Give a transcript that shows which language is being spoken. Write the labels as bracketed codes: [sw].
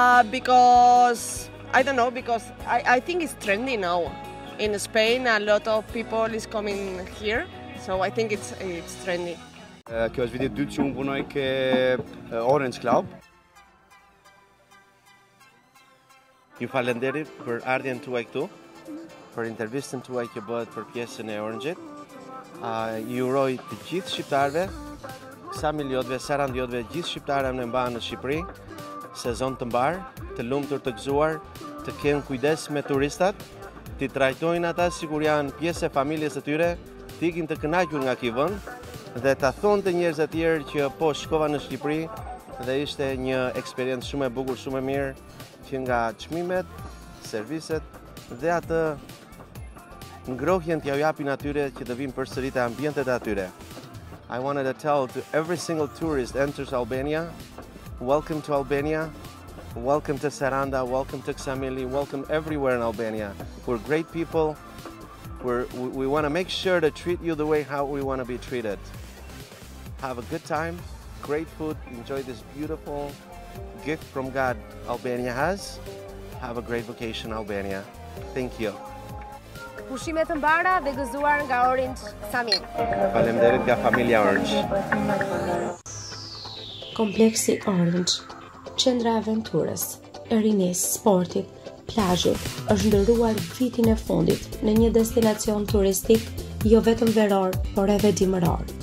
[en] Because I don't know, because I think it's trendy now in Spain, a lot of people is coming here, so I think it's trendy. [sq] Kjo është viti dytë që unë punoj ke Orange Club. Ju falenderit për ardhjen tuaj këtu, për intervistën tuaj që bëhet për pjesën e Orange-it. Ju uroj të gjithë shqiptarëve, Samil jotëve, Sarand jotëve, gjithë shqiptarëve në mbanë në Shqipëri. Sezon të mbarë, të lumtur, të gëzuar, të kenë kujdes me turistat, t'i trajtojnë ata sikur janë pjesë e familjes të tyre, t'i ikin të kënaqur nga ky vend dhe ta thonë të njerëz të tjerë që po shkova në Shqipëri dhe ishte një eksperiencë shumë e bukur, shumë e mirë, që nga çmimet, serviset dhe atë ngrohjen t'ja japin atyre që të vinë përsëri te ambientet e atyre. [en] I wanted to tell to every single tourist enters Albania, welcome to Albania, welcome to Saranda, welcome to Ksamili, welcome everywhere in Albania. We're great people. We want to make sure to treat you the way how we want to be treated. Have a good time, great food, enjoy this beautiful gift from God Albania has. Have a great vacation, Albania. Thank you. [sq] Pushime të mbara dhe gëzuar nga Orange Ksamil. Faleminderit nga familja Orange. Kompleksi Orange, qendra aventurës, rinis, sportit, plazhit, është ndërruar vitin e fundit në një destinacion turistik jo vetëm veror, por edhe dimëror.